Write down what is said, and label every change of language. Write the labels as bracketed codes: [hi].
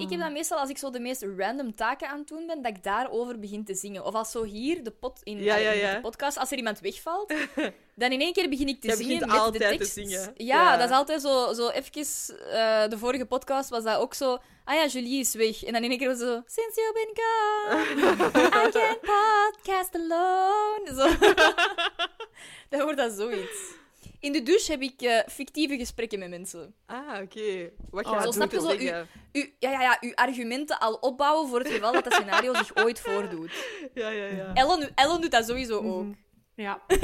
[nl] Ik heb dat meestal als ik zo de meest random taken aan het doen ben, dat ik daarover begin te zingen. Of als zo hier, de pot in, in de podcast, als er iemand wegvalt, dan in één keer begin ik te zingen met altijd de tekst. Te zingen. Ja, dat is altijd zo even... de vorige podcast was dat ook zo... Ah ja, Julie is weg. En dan in één keer was zo... [en] Since you've been gone, I can't podcast alone. [nl] Zo. Dan wordt dat zoiets. In de douche heb ik fictieve gesprekken met mensen. Ah, oké. Okay. Wat ga je doen? Snap je zo? Uw argumenten al opbouwen voor het geval dat scenario zich ooit voordoet. Ja, ja, ja. Ellen doet dat sowieso ook. Ja.